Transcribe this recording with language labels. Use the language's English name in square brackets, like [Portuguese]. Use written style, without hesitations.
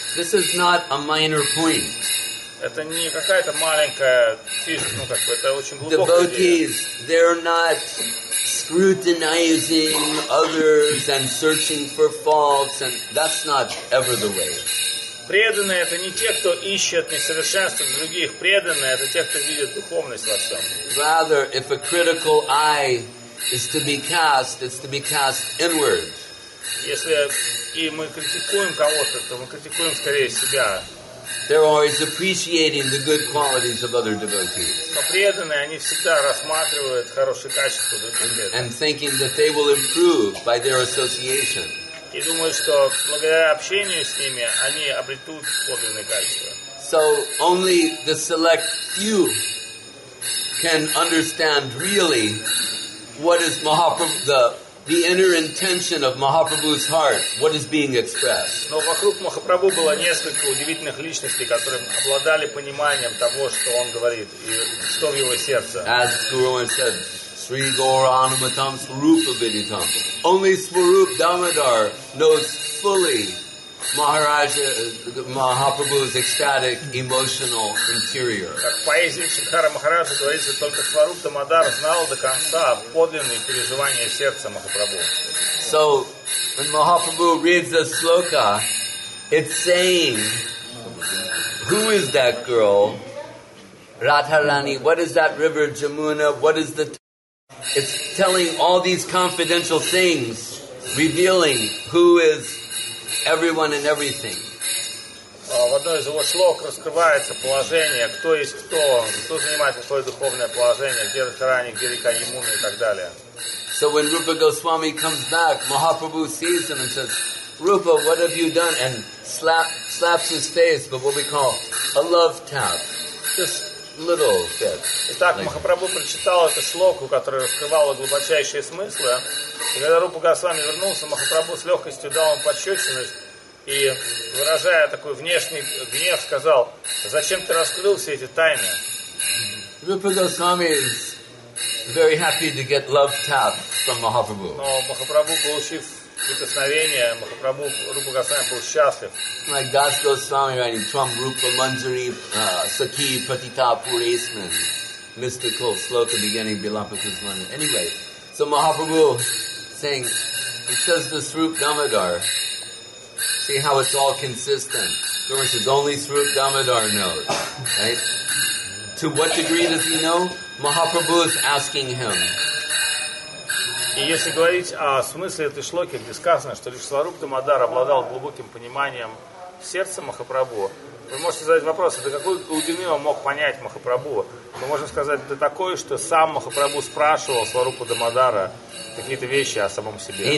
[English] This is not a minor point. [Russian] Это не какая-то маленькая фишка, ну, как бы, это очень глубокая [English] devotees, [Russian] идея. [English] They're not scrutinizing others and searching for faults, and that's not ever the way. [Russian] Преданные — это не те, кто ищет несовершенство в других. Преданные — это те, кто видит духовность во всем. [English] Rather, if a critical eye is to be cast, it's to be cast inward. [Russian] Если и мы критикуем кого-то, то мы критикуем скорее себя. [English] They're always appreciating the good qualities of other devotees. [Russian] Но преданные, они всегда рассматривают хорошие качества других преданных. [English] And thinking that they will improve by their association. [Russian] И думают, что благодаря общению с ними они обретут подлинные качества. [English] So only the select few can understand really what is Mahaprabhu, the inner intention of Mahaprabhu's heart, what is being expressed. [Russian] Но вокруг Махапрабху было несколько удивительных личностей, которые обладали пониманием того, что он говорит, и что в его сердце. [English] As Guru Maharaj said, Sri Gauranamatam Swarupa Viditam. Only Swarup Damodar knows fully Maharaja, Mahaprabhu's ecstatic emotional interior. [Russian] Как в поэзии Шридхара Махараджа говорится, только Сваруп Дамодар знал до конца подлинные переживания сердца Махапрабху. [English] So, when Mahaprabhu reads the sloka, it's saying, who is that girl, Radharani, what is that river Jamuna, what is the... It's telling all these confidential things, revealing who is everyone and everything. [Russian] в одной из его слог раскрывается положение, кто есть кто, кто занимает какое духовное положение, где Радхарани, где река Ямуна и так далее. [English] So when Rupa Goswami comes back, Mahaprabhu sees him and says, Rupa, what have you done? And slaps his face, but what we call a love tap. Just little bit. [Russian] Итак, Махапрабху прочитал эту шлоку, которая раскрывала глубочайшие смыслы. И когда Рупа Госвами вернулся, Махапрабху с легкостью дал ему пощечину и, выражая такой внешний гнев, сказал, зачем ты раскрыл все эти тайны? [English] Rupa Goswami is very happy to get love tap from Mahaprabhu. [Russian] Но Махапрабху, получив прикосновение, Махапрабху Рупа Госвами был счастлив. [English] Like Das Goswami writing, from Rupa Manjari, Sakhi Patita Puresman, mystical sloka beginning Bilapaka's Manjari. Anyway, so Mahaprabhu saying, because the Srup Damodar, see how it's all consistent. So it says, only Srup Damodar knows, right? To what degree does he know? Mahaprabhu is asking him. [Russian] И если говорить о смысле этой шлоки, где сказано, что лишь Сварупа Дамодара обладал глубоким пониманием сердца Махапрабху, вы можете задать вопрос, до какой глубины он мог понять Махапрабху? Мы можем сказать, до такой, что сам Махапрабху спрашивал Сварупу Дамодара какие-то вещи о самом себе.